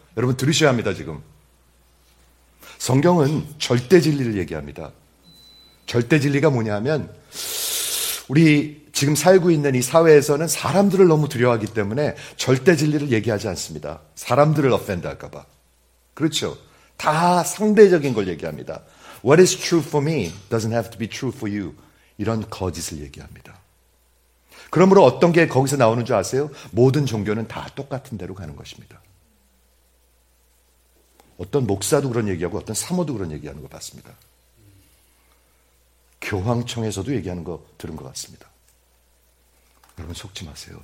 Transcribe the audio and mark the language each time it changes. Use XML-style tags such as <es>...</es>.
<ko>여러분 들으셔야 합니다, 지금. 성경은 절대 진리를 얘기합니다. 절대 진리가 뭐냐면 우리 지금 살고 있는 이 사회에서는 사람들을 너무 두려워하기 때문에 절대 진리를 얘기하지 않습니다. 사람들을 offend할까 봐. 그렇죠? 다 상대적인 걸 얘기합니다.</ko> <en>What is true for me doesn't have to be true for you.</en> <ko>이런 거짓을 얘기합니다. 그러므로 어떤 게 거기서 나오는 줄 아세요? 모든 종교는 다 똑같은 대로 가는 것입니다. 어떤 목사도 그런 얘기하고 어떤 사모도 그런 얘기하는 거 봤습니다. 교황청에서도 얘기하는 거 들은 것 같습니다. 여러분 속지 마세요.</ko>